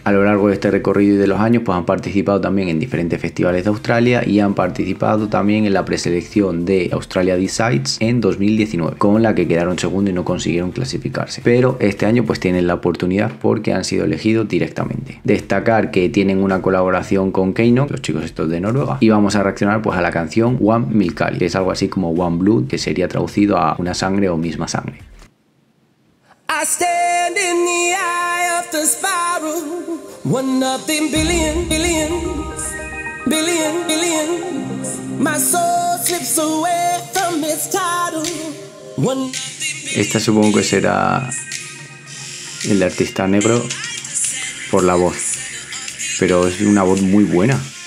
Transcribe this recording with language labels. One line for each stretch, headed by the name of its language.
Spanish: A lo largo de este recorrido y de los años pues han participado también en diferentes festivales de Australia y han participado también en la preselección de Australia Decides en 2019, con la que quedaron segundo y no consiguieron clasificarse. Pero este año pues tienen la oportunidad porque han sido elegidos directamente. Destacar que tienen una colaboración con Keino, los chicos estos de Noruega, y vamos a reaccionar pues a la canción One Milk Cali, que es algo así como One Blood, que sería traducido a una sangre o misma sangre.
English: I stand in the eye of the spiral, one of the billion, billions, billion, billions. My soul slips away from its title. One...
Spanish: Esta supongo que será el artista negro por la voz. Pero es una voz muy buena.